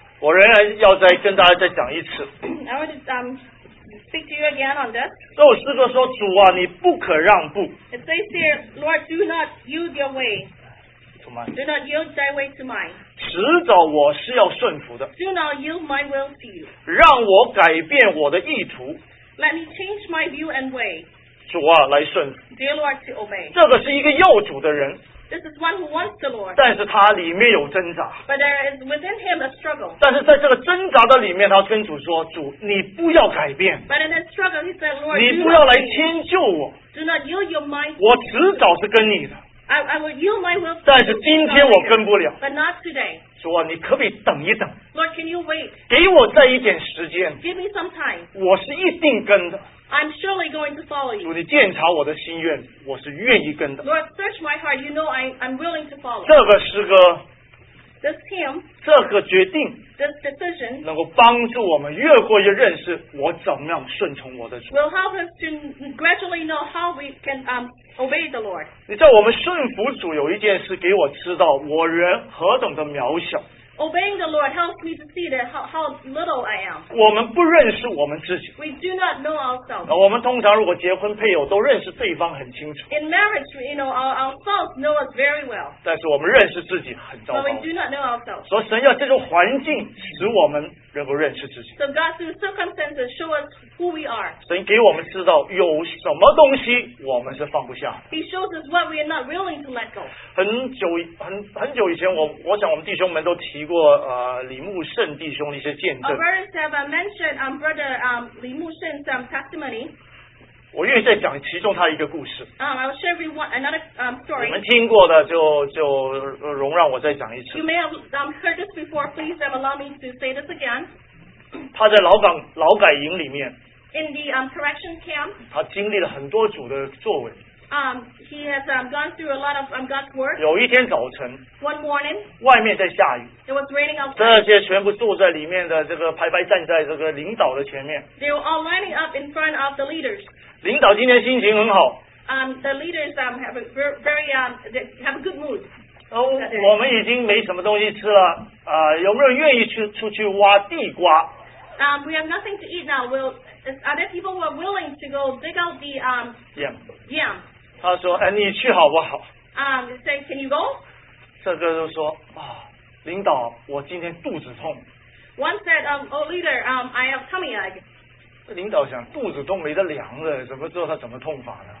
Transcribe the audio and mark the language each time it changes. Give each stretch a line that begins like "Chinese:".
Chinese: 我仍然要再跟大家再讲一次。
English: I want to speak to you again on this.
Chinese: 这首诗歌说：“主啊，你不可让步。”
English: It says here, Lord, do not yield your way. To mine. Do not yield thy way to mine.
Chinese: 迟早我是要顺服的。
English: Do not yield my will to you.
Chinese: 让我改变我的意图。
English: Let me change my view and way.
Chinese: 主啊，来顺。
English: Dear Lord, to obey.
Chinese: 这个是一个要主的人。
English: This is one who wants the Lord.
Chinese: 但是他里面有挣扎。
English: But there is within him a struggle.
Chinese: 但是在这个挣扎的里面，他跟主说：“主，你不要改变。
English: ”But in that struggle, he said, "Lord,
Chinese: 你不要来迁就我。
English: Do not yield your mind.
Chinese: 我迟早是跟你的。
English: I will yield my will.
Chinese: 但是今天我跟不了。
English: But not today.
Chinese: 主啊，你可不可以等一等
English: ？Lord, can you wait?
Chinese: 给我再一点时间。
English: Give me some time.
Chinese: 我是一定跟的。
English: I'm surely going to follow you.
Chinese: 主，你鉴察我的心愿，我是愿意跟的。
English: Lord, search my heart. You know I'm willing to follow.
Chinese: 这个诗歌
English: ，this hymn，
Chinese: 这个决定
English: ，this decision，
Chinese: 能够帮助我们越过越认识我怎么样顺从我的主。
English: Will help us to gradually know how we can obey the Lord.
Chinese: 你知道我们顺服主有一件事给我知道我人何等的渺小。
English: Obeying the Lord helps me to see that how little I am.
Chinese: 我们不认识我们自己。
English: We do not know ourselves.
Chinese: 我们通常如果结婚配偶都认识对方很清楚。
English: In marriage, you know, our spouse know us very well.
Chinese: 但是我们认识自己很糟糕。
English: But we do not know ourselves.
Chinese: 所以神要借助环境使我们能够认识自己。
English: So God through circumstances show us who we are.
Chinese: 神给我们知道有什么东西我们是放不下。
English: He shows us what we are not willing to let go.
Chinese: 很久以前，我想我们弟兄们都提过。李牧圣弟兄的一些见证。
English: Our brothers have mentioned brother Li Mu Sheng's testimony.
Chinese: 我愿意再讲其中他一个故事。
English: I will share with you another story.
Chinese: 你们听过的就容让我再讲一次。
English: You may have heard this before. Please allow me to say this again.
Chinese: 他在劳改营里面。
English: In the correction camp.
Chinese: 他经历了很多主的作为。
English: He has gone through a lot of God's work.
Chinese: 有一天早晨
English: ，One morning，
Chinese: 外面在下雨
English: ，It was raining outside.
Chinese: 这些全部坐在里面的这个排排站在这个领导的前面。
English: They were all lining up in front of the leaders.
Chinese: 领导今天心情很好。
English: The leaders have a they have a good mood.
Chinese: 我们已经没什么东西吃了有没有愿意出去挖地瓜
English: We have nothing to eat now. Are there people who are willing to go dig out the yam? Yam.
Chinese: 他说：“哎，你去好不好？”
English: say, can you go?
Chinese: 这个就说啊，领导，我今天肚子痛。
English: One said, "Oh, leader, I have tummy ache."
Chinese: 领导想肚子都没得量了，怎么知道他怎么痛法呢